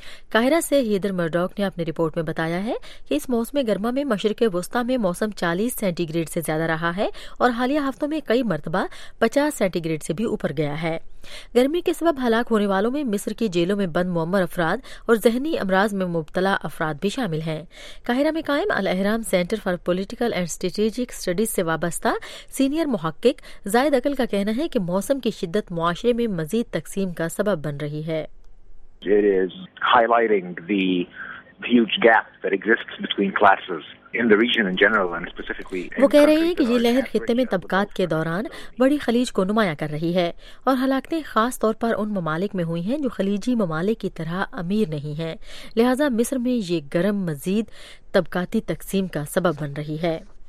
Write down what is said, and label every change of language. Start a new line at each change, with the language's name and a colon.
Urdu: قاہرہ سے ہیدر مرڈوک نے اپنی رپورٹ میں بتایا ہے کہ اس موسم گرما میں مشرق وسطی میں موسم 40 سینٹی گریڈ سے زیادہ رہا ہے اور حالیہ ہفتوں میں کئی مرتبہ 50 سینٹی گریڈ سے بھی اوپر گیا ہے۔ گرمی کے سبب ہلاک ہونے والوں میں مصر کی جیلوں میں بند معمر افراد اور ذہنی امراض میں مبتلا افراد بھی شامل ہیں۔ قاہرہ میں قائم الاحرام centre for political and strategic studies سے وابستہ سینئر محقق زائد عقل کا کہنا ہے کہ موسم کی شدت معاشرے میں مزید تقسیم کا سبب بن رہی ہے۔
English: It is highlighting the huge gap that exists between classes in the region in general and specifically in
Urdu: وہ کہہ رہے ہیں کہ یہ لہر خطے میں طبقات کے دوران بڑی خلیج کو نمایاں کر رہی ہے اور ہلاکتیں خاص طور پر ان ممالک میں ہوئی ہیں جو خلیجی ممالک کی طرح امیر نہیں ہیں، لہذا مصر میں یہ گرم مزید طبقاتی تقسیم کا سبب بن رہی ہے۔